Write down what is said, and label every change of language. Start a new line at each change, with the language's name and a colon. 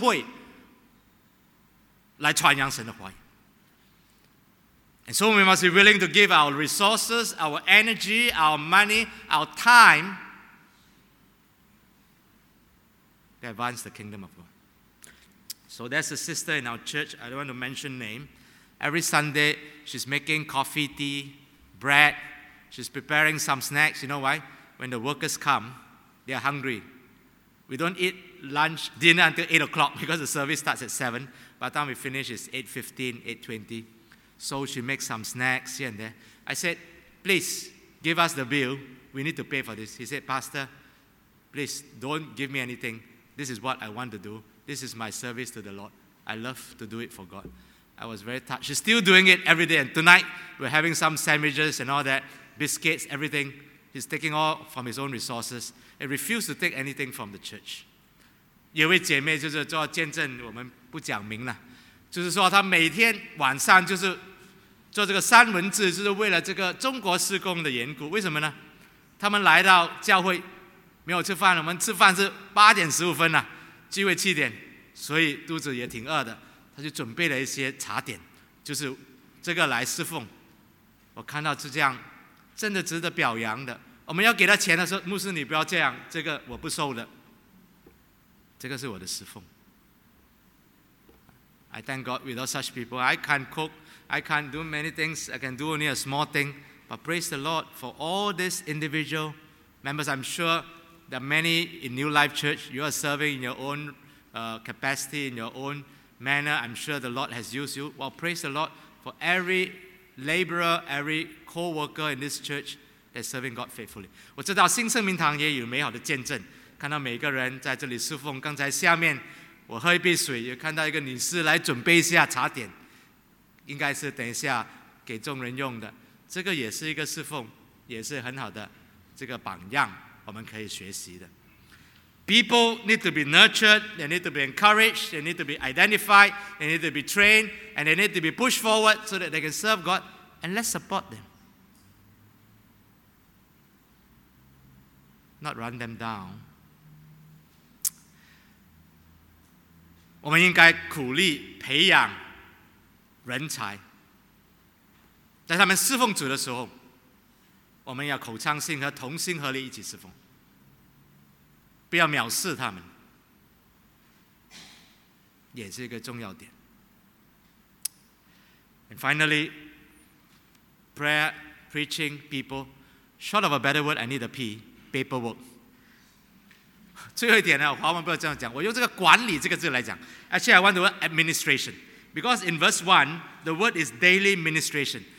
Chinese: 我们要有这个牺牲小我、完全大我的一个思想、这个精神，就是我们以教会为主、神的国度为主，就是我们愿意使用我们的时光、我们的金钱、我们的气力、我们的智慧来传扬神的话语。
English: And so we must be willing to give our resources, our energy, our money, our time to advance the kingdom of God. So there's a sister in our church. I don't want to mention name. Every Sunday, she's making coffee, tea, bread. She's preparing some snacks. You know why? When the workers come, they're hungry. We don't eat lunch, dinner until 8 o'clock because the service starts at 7. By the time we finish, it's 8:15, 8:20. So she makes some snacks here and there. I said, please, give us the bill. We need to pay for this. He said, Pastor, please, don't give me anything. This is what I want to do. This is my service to the Lord. I love to do it for God. I was very touched. She's still doing it every day. And tonight, we're having some sandwiches and all that, biscuits, everything. He's taking all from his own resources. He refused to take anything from the church.
Chinese: 有位姐妹就是做见证，我们不讲名了。就是说他每天晚上就是做这个三文治，就是为了这个中国施工的缘故。为什么呢？他们来到教会没有吃饭，我们吃饭是8:15啊，聚会7点，所以肚子也挺饿的。他就准备了一些茶点，就是这个来侍奉。我看到是这样，真的值得表扬的。我们要给他钱的时候，牧师你不要这样，这个我不收的，这个是我的侍奉。
English: I thank God without such people I can't cook, I can't do many things, I can do only a small thing. But praise the Lord for all these individual members. I'm sure there are many in New Life Church. You are serving in your own capacity, in your own manner. I'm sure the Lord has used you. Well, praise the Lord for every laborer, every co-worker in this church that's serving God faithfully.
Chinese: 我知道新生命堂也有美好的见证，看到每个人在这里侍奉。刚才下面我喝一杯水，也看到一个女士来准备一下茶点，应该是等一下给众人用的。这个也是一个侍奉，也是很好的这个榜样，我们可以学习的。
English: People need to be nurtured, they need to be encouraged, they need to be identified, they need to be trained, and they need to be pushed forward so that they can serve God, and let's support them. Not run them down.
Chinese: 我们应该鼓励培养人才，在他们侍奉主的时候，我们要口腔心和同心合力一起侍奉，不要藐视他们，也是一个重要点。
English: And finally, prayer, preaching, people, short of a better word, I need a P, paperwork.
Chinese: 最后一点呢，华文不要这样讲，我用这个管理这个字来讲。
English: Actually, I want the word administration, because in verse 1, the word is daily ministration.